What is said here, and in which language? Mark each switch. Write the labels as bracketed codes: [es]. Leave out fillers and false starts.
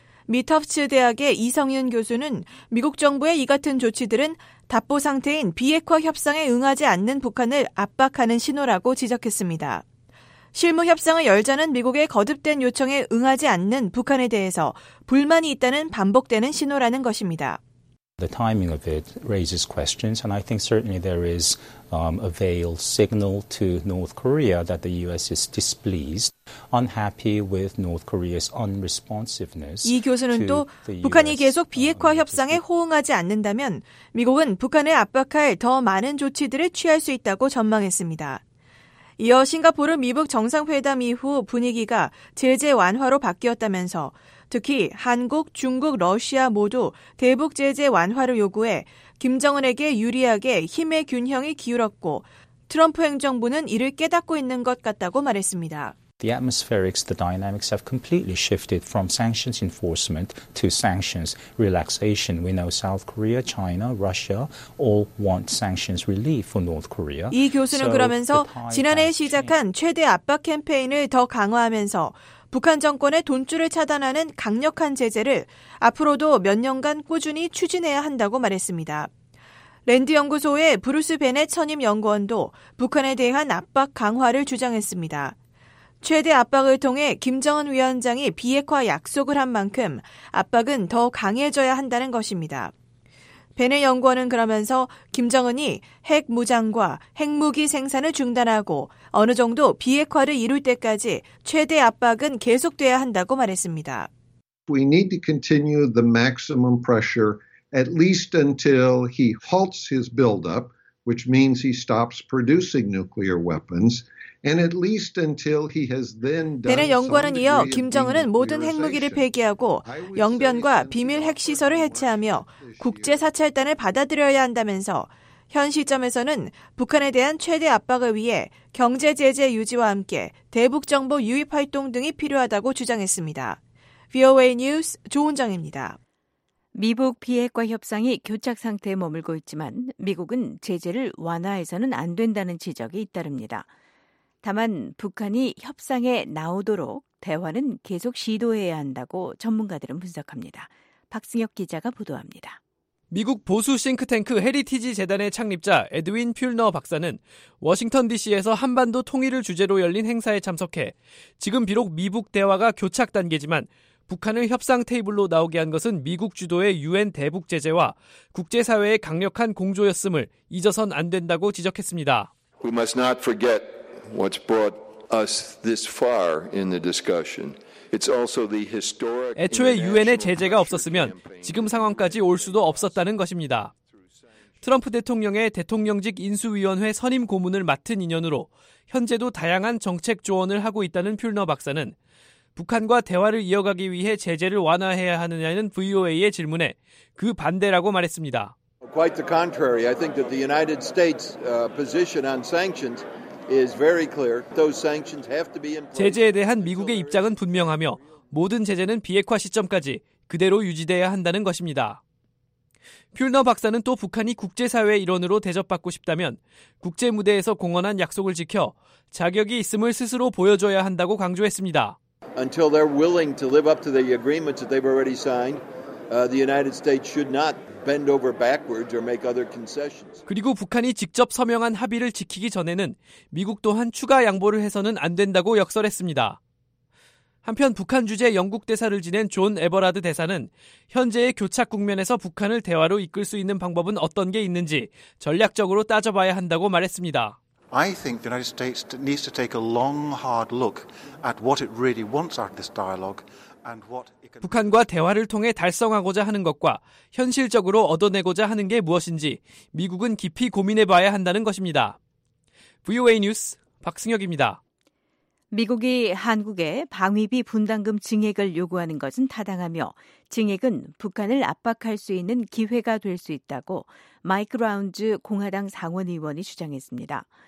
[ko] 미 터프츠 대학의 이성윤 교수는 미국 정부의 이 같은 조치들은 답보 상태인 비핵화 협상에 응하지 않는 북한을 압박하는 신호라고 지적했습니다. 실무 협상을 열자는 미국의 거듭된 요청에 응하지 않는 북한에 대해서 불만이 있다는 반복되는 신호라는 것입니다. [en] The timing of it raises questions, and I think certainly there is a veiled signal to North Korea that the U.S. is displeased, unhappy with North Korea's unresponsiveness. [ko] 이 교수는 또 북한이 계속 비핵화 협상에 호응하지 않는다면 미국은 북한을 압박할 더 많은 조치들을 취할 수 있다고 전망했습니다. 이어 싱가포르 미북 정상회담 이후 분위기가 제재 완화로 바뀌었다면서 특히 한국, 중국, 러시아 모두 대북 제재 완화를 요구해 김정은에게 유리하게 힘의 균형이 기울었고 트럼프 행정부는 이를 깨닫고 있는 것 같다고 말했습니다. [en] The atmospherics, the dynamics have completely shifted from sanctions enforcement to sanctions relaxation. We know South Korea, China, Russia all want sanctions relief for North Korea. [ko] 이 교수는 그러면서 지난해 시작한 최대 압박 캠페인을 더 강화하면서 북한 정권의 돈줄을 차단하는 강력한 제재를 앞으로도 몇 년간 꾸준히 추진해야 한다고 말했습니다. 랜드 연구소의 브루스 베넷 선임 연구원도 북한에 대한 압박 강화를 주장했습니다. 최대 압박을 통해 김정은 위원장이 비핵화 약속을 한 만큼 압박은 더 강해져야 한다는 것입니다. 베네 연구원은 그러면서 김정은이 핵 무장과 핵무기 생산을 중단하고 어느 정도 비핵화를 이룰 때까지 최대 압박은 계속돼야 한다고 말했습니다. [en] We need to continue the maximum pressure at least until he halts his buildup, which means he stops producing nuclear weapons. And at least until he has then done. [ko] 베넷 연구원은 이어 김정은은 모든 핵무기를 폐기하고 영변과 비밀 핵시설을 해체하며 국제 사찰단을 받아들여야 한다면서 현 시점에서는 북한에 대한 최대 압박을 위해 경제 제재 유지와 함께 대북 정보 유입 활동 등이 필요하다고 주장했습니다. VOA 뉴스 조은정입니다. 미북 비핵화 협상이 교착 상태에 머물고 있지만 미국은 제재를 완화해서는 안 된다는 지적이 잇따릅니다. 다만 북한이 협상에 나오도록 대화는 계속 시도해야 한다고 전문가들은 분석합니다. 박승혁 기자가 보도합니다. 미국 보수 싱크탱크 헤리티지 재단의 창립자 에드윈 퓰너 박사는 워싱턴 DC에서 한반도 통일을 주제로 열린 행사에 참석해 지금 비록 미북 대화가 교착 단계지만 북한을 협상 테이블로 나오게 한 것은 미국 주도의 유엔 대북 제재와 국제사회의 강력한 공조였음을 잊어선 안 된다고 지적했습니다. [en] We must not forget what's brought us this far in the discussion. It's also the historic. [ko] 애초에 UN의 제재가 없었으면 지금 상황까지 올 수도 없었다는 것입니다. 트럼프 대통령의 대통령직 인수위원회 선임 고문을 맡은 인연으로 현재도 다양한 정책 조언을 하고 있다는 퓰너 박사는 북한과 대화를 이어가기 위해 제재를 완화해야 하느냐는 VOA의 질문에 그 반대라고 말했습니다. [en] Quite the contrary. I think that the United States position on sanctions is very clear. Those sanctions have to be in place. [ko] 제재에 대한 미국의 입장은 분명하며 모든 제재는 비핵화 시점까지 그대로 유지돼야 한다는 것입니다. 퓰너 박사는 또 북한이 국제사회의 일원으로 대접받고 싶다면 국제무대에서 공언한 약속을 지켜 자격이 있음을 스스로 보여줘야 한다고 강조했습니다. [en] Until they're willing to live up to the agreements that they've already signed, the United States should not bend over backwards or make other concessions. [ko] 그리고 북한이 직접 서명한 합의를 지키기 전에는 미국 또한 추가 양보를 해서는 안 된다고 역설했습니다. 한편 북한 주재 영국 대사를 지낸 존 에버라드 대사는 현재의 교착 국면에서 북한을 대화로 이끌 수 있는 방법은 어떤 게 있는지 전략적으로 따져봐야 한다고 말했습니다. [en] I think the United States needs to take a long hard look at what it really wants out of this dialogue. [ko] 북한과 대화를 통해 달성하고자 하는 것과 현실적으로 얻어내고자 하는 게 무엇인지 미국은 깊이 고민해봐야 한다는 것입니다. VOA 뉴스 박승혁입니다. 미국이 한국에 방위비 분담금 증액을 요구하는 것은 타당하며 증액은 북한을 압박할 수 있는 기회가 될 수 있다고 마이크 라운즈 공화당 상원의원이 주장했습니다.